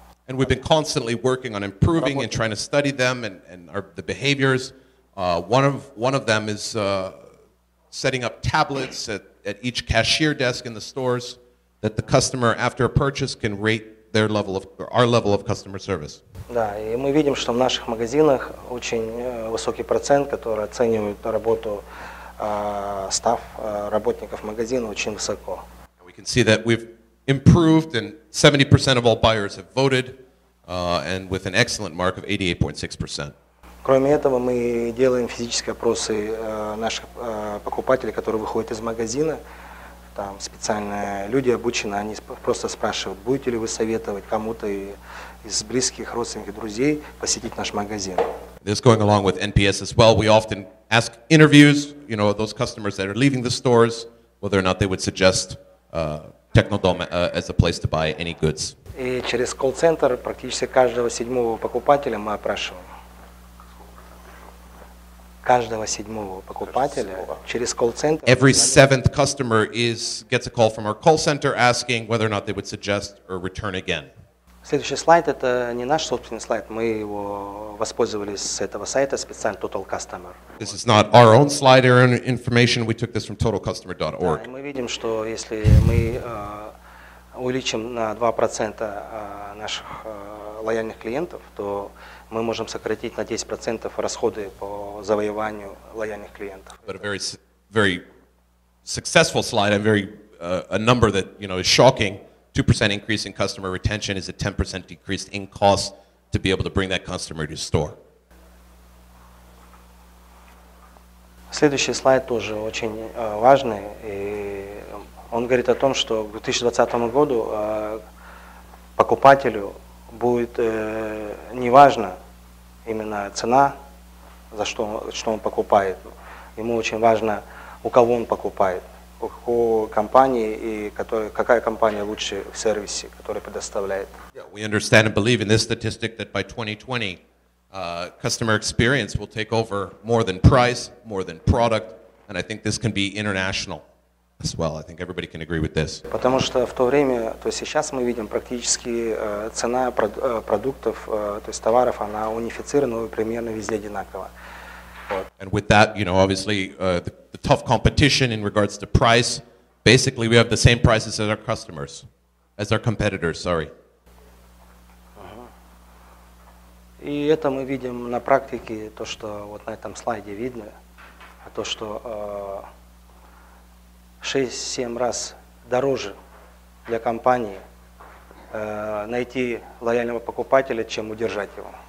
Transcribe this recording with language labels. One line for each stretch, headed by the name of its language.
English: And we've been constantly working on improving and trying to study them and our, the behaviors. One of them is setting up tablets at each cashier desk in the stores that the customer, after a purchase, can rate their level of our level of customer service.
Russian: Да, и мы видим, что в наших магазинах очень высокий процент, который оценивает работу staff работников магазина очень высоко.
English: We can see that we've improved, and 70% of all buyers have voted, and with an excellent mark of 88.6%.
Russian: Кроме этого, мы делаем физические опросы наших покупателей, которые выходят из магазина. Там специальные люди обучены, они просто спрашивают, будете ли вы советовать кому-то из близких, родственников, друзей посетить наш магазин.
English: This going along with NPS as well. We often ask interviews, you know, those customers that are leaving the stores, whether or not they would suggest Technodom as a place to buy any goods.
Russian: И через колл-центр практически каждого седьмого покупателя мы опрашиваем. Каждого седьмого покупателя через колл-центр.
English: Every seventh customer gets a call from our call center asking whether or not they would suggest or return again.
Russian: Следующий слайд – это не наш собственный слайд. Мы его воспользовались с этого сайта специально Total Customer.
English: This is not our own slide or information. We took this from totalcustomer.org.
Russian: Мы видим, что если мы увеличим на 2% наших лояльных клиентов, то мы можем сократить на 10% расходы по завоеванию лояльных клиентов.
English: But a very, very successful slide, and very a number that, you know, is shocking. 2% increase in customer retention is a 10% decrease in cost to be able to bring that customer to store.
Russian: Следующий слайд тоже очень важный, и он говорит о том, что к 2020 году покупателю будет неважно именно цена, за что, что он покупает. Ему очень важно, у кого он покупает, у какой компании и который, какая компания лучше в сервисе, который предоставляет.
English: Yeah, we understand and believe in this statistic that by 2020, customer experience will take over more than price, more than product, and I think this can be international as well. I think everybody can agree with this.
Russian: Потому что в то время, то есть сейчас мы видим практически цена продуктов, то есть товаров, она унифицирована примерно везде одинаково.
English: And with that, you know, obviously the tough competition in regards to price, basically we have the same prices as our customers, as our competitors, sorry.
Russian: И это мы видим на практике, то, что вот на этом слайде видно, то, что 6-7 раз дороже для компании найти лояльного покупателя, чем удержать его.